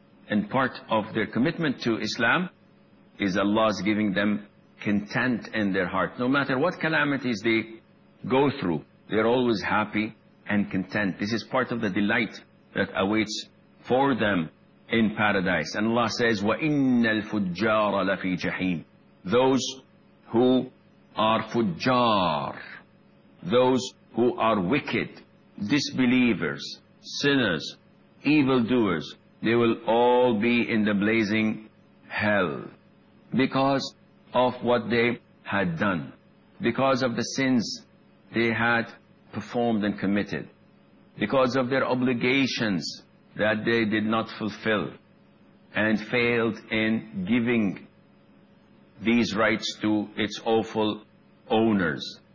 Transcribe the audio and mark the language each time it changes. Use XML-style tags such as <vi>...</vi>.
<en>And part of their commitment to Islam is Allah's giving them content in their heart. No matter what calamities they go through, they're always happy and content. This is part of the delight that awaits for them in paradise. And Allah says,</en> <ar>وَإِنَّ الْفُجَّارَ لَفِي جَحِيمٍ.</ar> <en>Those who are fujjar, those who are wicked, disbelievers, sinners, evildoers, they will all be in the blazing hell because of what they had done, because of the sins they had performed and committed, because of their obligations that they did not fulfill and failed in giving these rights to its awful owners.</en>